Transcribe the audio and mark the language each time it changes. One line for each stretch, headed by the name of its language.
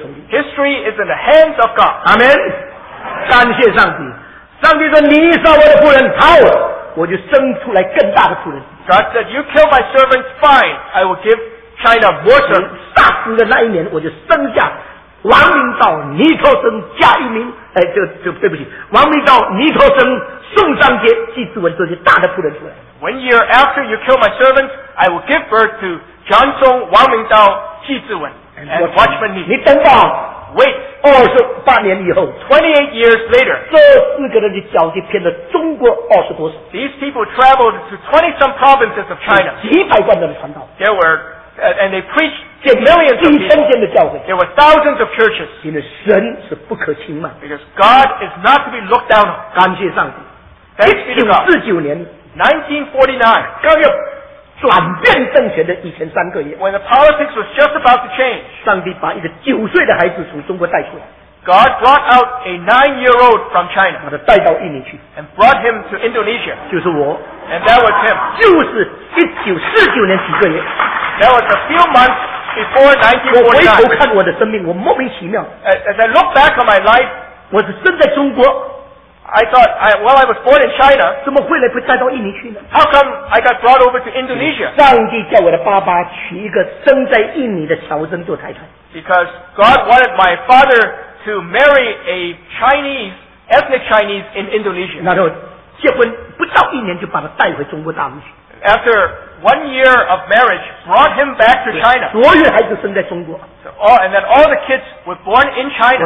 English: History is in the hands of God. Amen.
Chinese: 感谢上帝。上帝说你杀我的仆人，好，我就生出来更大的仆人。
English: God said, you kill my servants, fine, I will give China more servants.
Chinese: 杀死的那一年，我就生下 王明道、尼托生、加一鸣，对不起，王明道、尼托生、宋尚杰、纪思文这些大的仆人出来。
English: One year after you kill my servants, I will give birth to John Song, Wang Mingdao, Ji Zhiwen, and Watchman Nee.
Chinese: 你等等
English: ，Wait，
Chinese: 28年以后
English: ，28 years later，
Chinese: 这四个人的脚就偏了中国20多省。
English: These people traveled to 20 some provinces of China. 几百万人的传道。 There were and they preached. Millions of people. There were thousands of churches. Because God is not to be looked down on.
Chinese: 感谢上帝.
English: Thanks be to God.
Chinese: 1949年,
English: 1949, when the politics was just about to change,
Chinese: 上帝把一个九岁的孩子从中国带出来,
English: God brought out a 9-year-old from China
Chinese: 把他带到印尼去,
English: and brought him to Indonesia.
Chinese: 就是我,
English: and that was him.
Chinese: 就是1949年几个月,
English: that was a few months before 1949. As I look back on my life,
Chinese: 我是生在中国,
English: I thought, well, I was born in China.
Chinese: 怎么会来不带到印尼去呢?
English: How come I got brought over to Indonesia?
Chinese: 上帝叫我的爸爸娶一个生在印尼的乔珍做太太。
English: Because God wanted my father to marry a Chinese, ethnic Chinese in Indonesia.
Chinese: 然后结婚不到一年就把他带回中国大陆去。
English: After 1 year of marriage, brought him back to China.
Chinese: 所有孩子生在中国。
English: So all, and then all the kids were born in China.